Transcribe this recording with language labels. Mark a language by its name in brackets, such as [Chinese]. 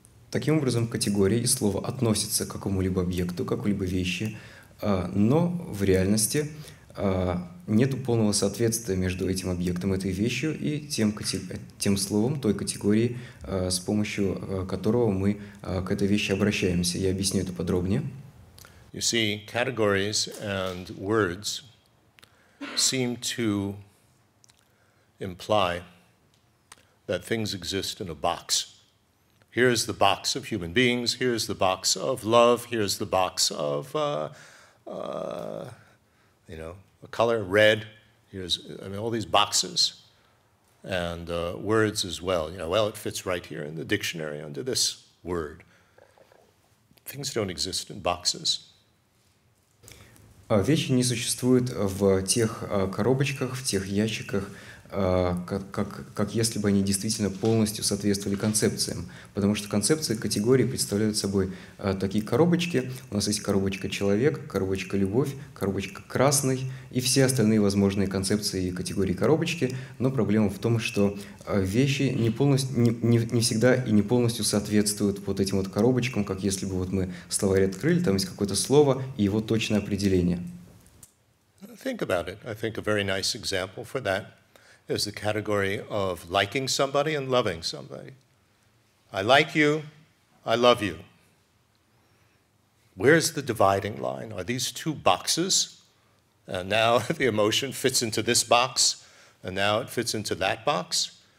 [Russian] Таким образом, категория и слово относятся к какому-либо объекту, к какой-либо вещи, но в реальности нет полного соответствия между этим объектом, этой вещью и тем словом, той категорией, с помощью которого мы к этой вещи обращаемся. Я объясню это подробнее. [English] You see, categories and words seem to imply that things exist in a box. Here is the box of human beings, here is the box of love, here is the box of, a color, red, all these boxes, and words as well. It fits right here in the dictionary under this word. Things don't exist in boxes. [Russian] Вещи не существуют в тех коробочках, в тех ящиках, как если бы они действительно полностью соответствовали концепциям. Потому что концепции, категории представляют собой такие коробочки. У нас есть коробочка «человек», коробочка «любовь», коробочка «красный» и все остальные возможные концепции и категории коробочки. Но проблема в том, что вещи не всегда и не полностью соответствуют вот этим вот коробочкам, как если бы вот мы словарь открыли, там есть какое-то слово и его точное определение. [English] Think about it. I think a very nice example for that is the category of liking somebody and loving somebody. I like you, I love you. Where's the dividing line? Are these two boxes? And now the emotion fits into this box, and now it fits into that box.